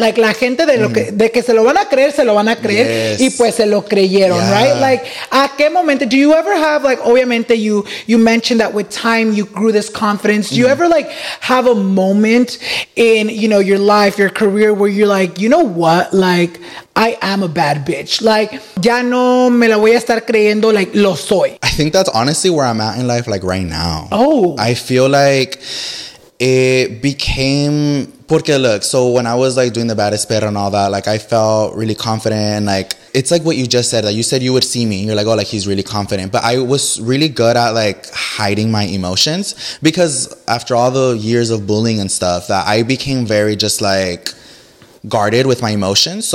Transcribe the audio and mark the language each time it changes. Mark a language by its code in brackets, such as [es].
[es] Like, la gente de lo que, de que se lo van a creer, se lo van a creer, y pues se lo creyeron, right? [en] Like, [es] a qué momento, [en] do you ever have, like, obviamente you mentioned that with time you grew this confidence. Do you ever, like, have a moment in, you know, your life, your career, where you're like, you know what, like, I am a bad bitch. [es] Like, ya no me la voy a estar creyendo, like, lo soy. [en] I think that's honestly where I'm at in life, like, right now. Oh. I feel like it became, porque look, so when I was like doing the Baddest Perra and all that, like I felt really confident. And like, it's like what you just said, that like, you said you would see me and you're like, oh, like he's really confident. But I was really good at like hiding my emotions, because after all the years of bullying and stuff, that I became very just like guarded with my emotions.